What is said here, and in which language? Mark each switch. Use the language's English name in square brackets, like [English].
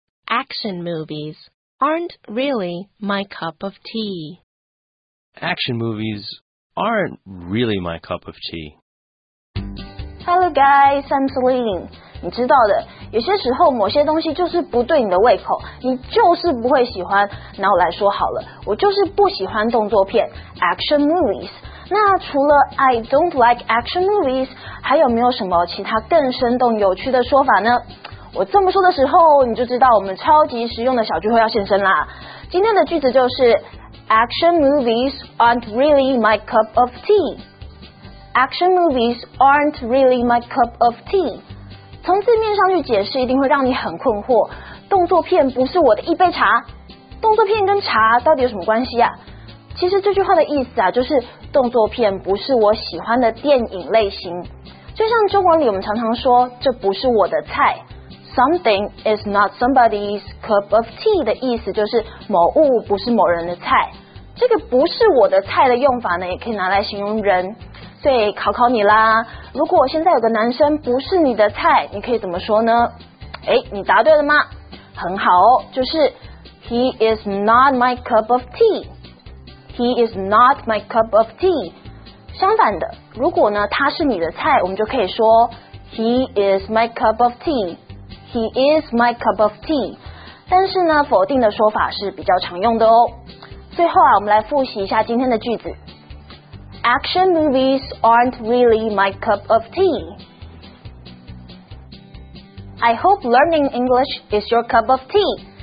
[English] Action movies aren't really my cup of tea. Action movies aren't really my cup of tea. Hello guys, I'm Celine. [Chinese] 你知道的，有些时候某些东西就是不对你的胃口，你就是不会喜欢。拿我来说好了，我就是不喜欢动作片 ，action movies。那除了 [English] I don't like action movies， [Chinese] 还有没有什么其他更生动有趣的说法呢？我这么说的时候，你就知道我们超级实用的小聚会要现身啦。今天的句子就是 [English] ，action movies aren't really my cup of tea。 Action movies aren't really my cup of tea。 [Chinese] 从字面上去解释，一定会让你很困惑。动作片不是我的一杯茶，动作片跟茶到底有什么关系啊？其实这句话的意思啊，就是动作片不是我喜欢的电影类型。就像中文里我们常常说，这不是我的菜。 [English] Something is not somebody's cup of tea [Chinese] 的意思就是某物不是某人的菜。这个不是我的菜的用法呢，也可以拿来形容人。所以考考你啦，如果现在有个男生不是你的菜，你可以怎么说呢？哎，你答对了吗？很好哦，就是 [English] He is not my cup of tea. He is not my cup of tea. [Chinese] 相反的，如果呢他是你的菜，我们就可以说 [English] He is my cup of tea. He is my cup of tea. [Chinese] 但是呢否定的说法是比较常用的哦。最后啊，我们来复习一下今天的句子。 [English] Action movies aren't really my cup of tea. I hope learning English is your cup of tea.